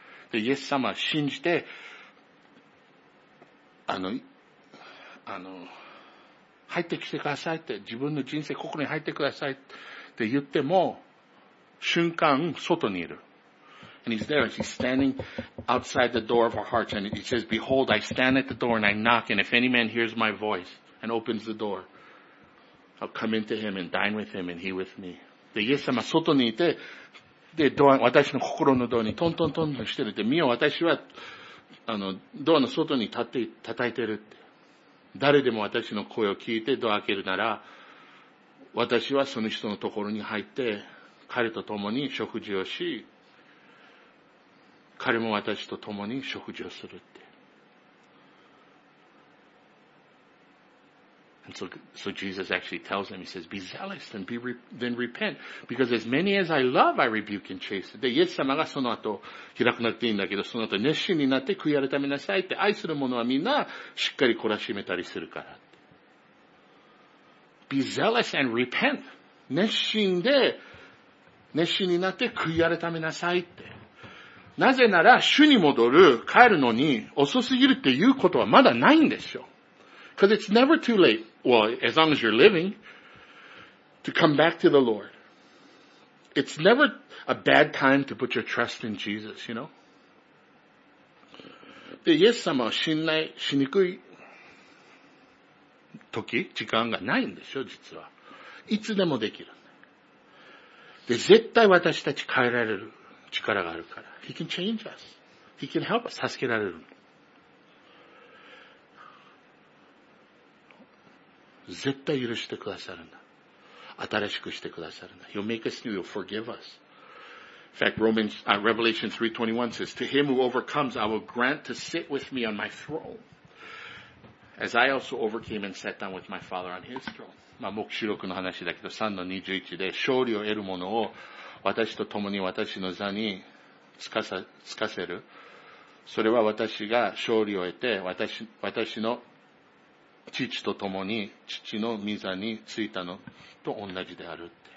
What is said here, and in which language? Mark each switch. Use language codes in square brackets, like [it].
[ja] で、イエス様信じて、あの、入ってきてくださいって、自分の人生ここに入ってくださいって言っても、瞬間外にいる。 [en] And he's there, and he's standing outside the door of our hearts, and he says, Behold, I stand at the door and I knock, and if any man hears my voice and opens the door,I'll come into him and dine with him and he with me. [ja] で、イエス様外にいて、で、ドア、私の心のドアにトントントンしてるって、見よ、私は、あの、ドアの外に立って、叩いてるって。誰でも私の声を聞いてドア開けるなら、私はその人のところに入って、彼と共に食事をし、彼も私と共に食事をするって。 [en] And so Jesus actually tells him, he says, be zealous and then repent. Because as many as I love, I rebuke and chasten. [ja] で、イエス様がその後、開くなっていいんだけど、その後熱心になって悔い改めなさいって、愛する者はみんなしっかり懲らしめたりするから。 [en] Be zealous and repent. [ja] 熱心になって悔い改めなさいって。なぜなら、主に戻る、帰るのに遅すぎるっていうことはまだないんでしょ。 [en] Because it's never too late, well, as long as you're living, to come back to the Lord. It's never a bad time to put your trust in Jesus, you know? [ja] で、イエス様を信頼しにくい時、時間がないんでしょ、実は。いつでもできる。で、絶対私たち変えられる力があるから。 [en] He can change us. He can help us. [ja] 助けられる。絶対許してくださるんだ。新しくしてくださるんだ。 [en] He'll make us new, He'll forgive us. In fact, Revelation 3:21 says, To him who overcomes, I will grant to sit with me on my throne. As I also overcame and sat down with my Father on his throne. [ja] まあ、黙示録の話だけど、3:21で、勝利を得る者を私と共に私の座につかせる。それは私が勝利を得て、私の父と共に父の御座についたのと同じであるって。